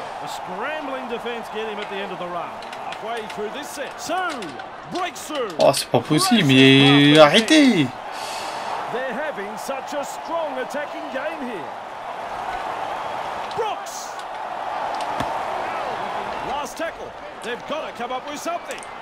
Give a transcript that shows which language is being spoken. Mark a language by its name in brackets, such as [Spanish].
[English] A scrambling defense get him at the end of the run. Halfway through this set. So, breakthrough. [French] Oh, c'est pas possible, mais arrêtez. [English] They're having such a strong attacking game here. Brooks. Last tackle. They've got to come up with something.